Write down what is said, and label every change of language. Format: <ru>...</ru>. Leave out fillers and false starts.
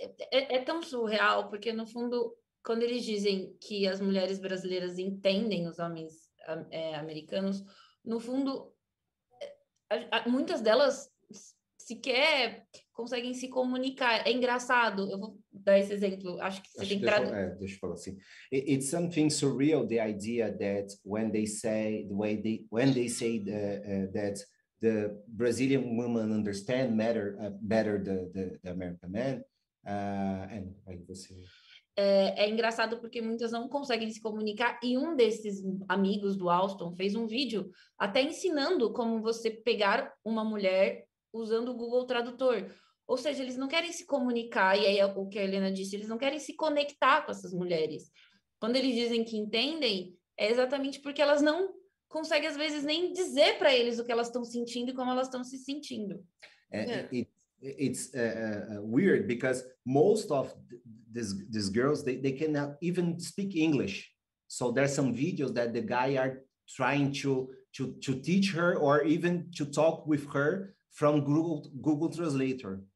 <pt>É tão surreal, porque no fundo, quando eles dizem que as mulheres brasileiras entendem os homens americanos, no fundo, muitas delas sequer conseguem se comunicar. É engraçado, eu vou dar esse exemplo, acho que você tem que traduzir. Deixa eu falar assim.</pt> <en>It's something surreal, the idea that when they say that the Brazilian women understand better the American men,</en> <pt>É engraçado porque muitas não conseguem se comunicar e um desses amigos do Alston fez um vídeo até ensinando como você pegar uma mulher usando o Google Tradutor. Ou seja, eles não querem se comunicar, e aí é o que a Helena disse, eles não querem se conectar com essas mulheres. Quando eles dizem que entendem, é exatamente porque elas não conseguem, às vezes, nem dizer para eles o que elas estão sentindo e como elas estão se sentindo.</pt> <en>It's weird because most of these girls, they cannot even speak English. So there's some videos that the guy are trying to teach her or even to talk with her from Google Translator.</en>